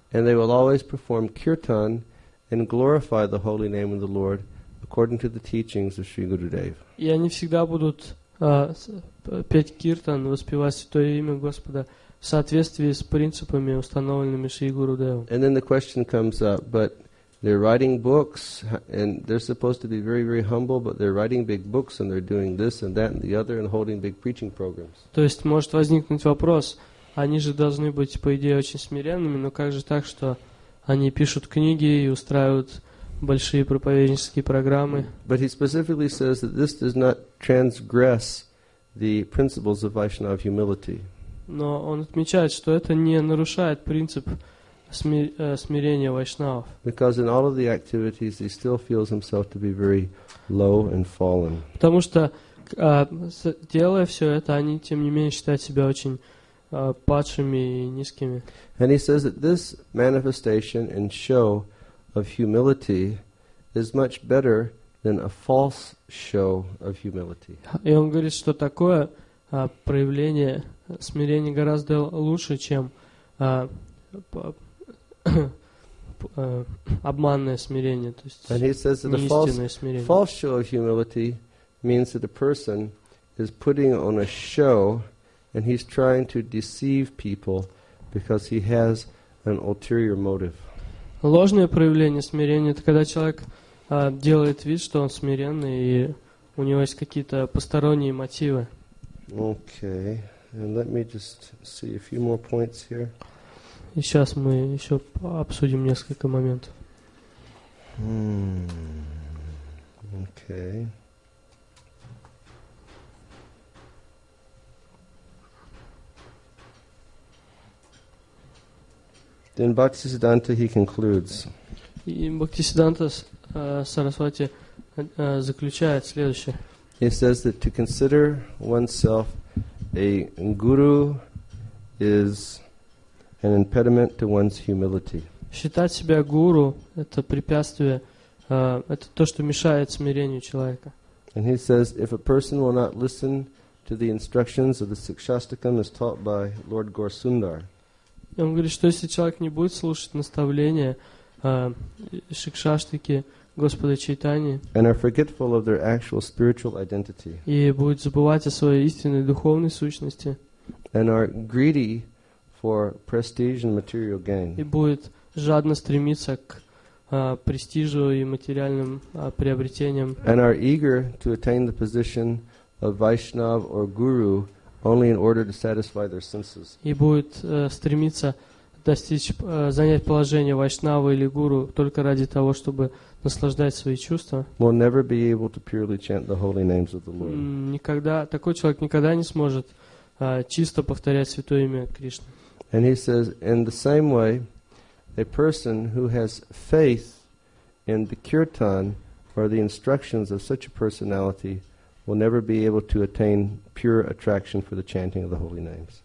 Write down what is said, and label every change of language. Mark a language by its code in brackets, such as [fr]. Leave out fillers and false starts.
[en] And they will always perform kirtan and glorify the holy name of the Lord according to the teachings of Sri Gurudev. [ru] И они всегда будут петь киртан, воспевать святое имя Господа в соответствии с принципами, установленными Шри Гурудевом. [en] And then the question comes up, but they're writing books, and they're supposed to be very, very humble, but they're writing big books, and they're doing this and that and the other, and holding big preaching programs. [ru] То есть может возникнуть вопрос: они же должны быть по идее очень смиренными, но как же так, что они пишут книги и устраивают большие проповеднические программы? [en] But he specifically says that this does not transgress the principles of Vaishnava humility. [ru] Но он отмечает, что это не нарушает принцип смирения вайшнавов. [en] Because in all of the activities, he still feels himself to be very low and fallen. [ru] Потому что делая все это, они тем не менее считают себя очень падшими и низкими. [en] And he says that this manifestation and show of humility is much better than a false show of humility. [ru] И он говорит, что такое проявление смирения гораздо лучше, чем обманное смирение, то есть неистинное смирение. [en] False show of humility means that a person is putting on a show and he's trying to deceive people because he has an ulterior motive. [ru] Ложное проявление смирения — это когда человек делает вид, что он смиренный, и у него есть какие-то посторонние мотивы. [en] Okay, and let me just see a few more points here. [ru] И сейчас мы еще обсудим несколько моментов. [en] Okay. Then Bhaktisiddhanta, he concludes. [ru] И Бхактисиддханта Сарасвати заключает следующее. [en] He says that to consider oneself a guru is an impediment to one's humility. [ru] Считать себя гуру — это препятствие, это то, что мешает смирению человека. [en] And he says, if a person will not listen to the instructions of the Sikshastakam as taught by Lord Gaurasundar. [ru] И он говорит, что если человек не будет слушать наставления Шикшаштаки Господа Чайтани, [en] and are forgetful of their actual spiritual identity, [ru] и будет забывать о своей истинной духовной сущности, [en] and are greedy for prestige and material gain, [ru] и будет жадно стремиться к престижу и материальным приобретениям, [en] and are eager to attain the position of Vaishnav or Guru only in order to satisfy their senses, [ru] и будет стремиться достичь, занять положение вайшнава или гуру только ради того, чтобы наслаждать свои чувства, [en] will never be able to purely chant the holy names of the Lord. [ru] Никогда, такой человек никогда не сможет чисто повторять святое имя Кришны. [en] And he says, in the same way, a person who has faith in the kirtan or the instructions of such a personality will never be able to attain pure attraction for the chanting of the holy names.